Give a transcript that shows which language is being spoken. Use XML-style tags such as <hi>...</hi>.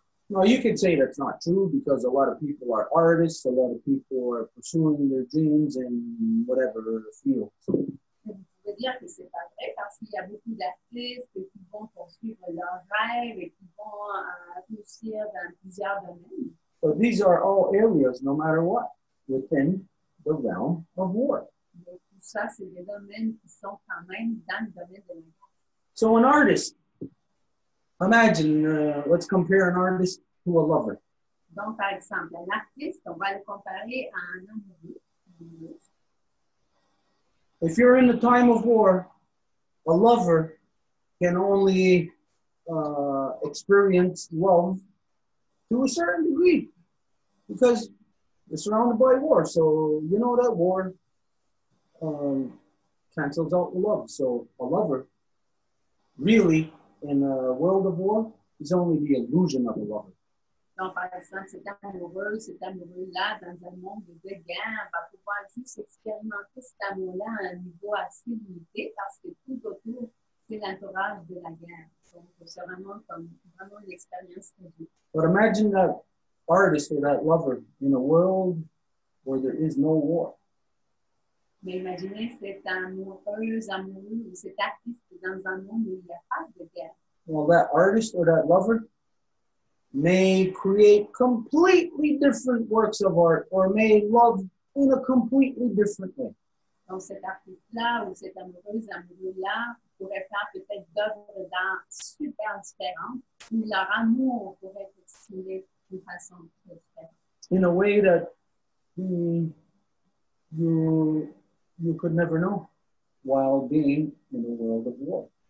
<en>Now you can say that's not true because a lot of people are artists, a lot of people are pursuing their dreams in whatever field.</en> <fr>Dire que c'est pas vrai parce qu'il y a beaucoup d'artistes qui vont poursuivre leurs rêves et qui vont réussir dans plusieurs domaines.</fr> <en>But these are all areas, no matter what, within the realm of war.</en> <fr>Mais tout ça, c'est des domaines qui sont quand même dans le domaine de la guerre.</fr> <en>So an artist, imagine, let's compare an artist to a lover.</en> <fr>Donc par exemple, un artiste, on va le comparer à un amoureux.</fr> <en>If you're in a time of war, a lover can only experience love to a certain degree because you're surrounded by war. So you know that war cancels out the love. So a lover, really, in a world of war, is only the illusion of a lover.</en> <fr>Donc, par exemple, cet amoureux-là, dans un monde de guerre, va pouvoir juste expérimenter cet amour-là à un niveau assez limité parce que tout autour, c'est l'entourage de la guerre. Donc, c'est vraiment comme vraiment une expérience.</fr> <en>But imagine that artist or that lover in a world where there is no war.</en> <fr>Mais imaginez cet amoureux amoureux ou cet artiste dans un monde où il n'y a pas de guerre.</fr> <en>Well, that artist or that lover may create completely different works of art or may love in a completely different way.</en> <fr>Donc cet artiste-là ou cet amoureux amoureux-là pourrait faire peut-être d'œuvres d'art super différentes ou leur amour pourrait être exprimé d'une façon très différente.</fr> <en>In a way that you could never know while being in a world of war.</en>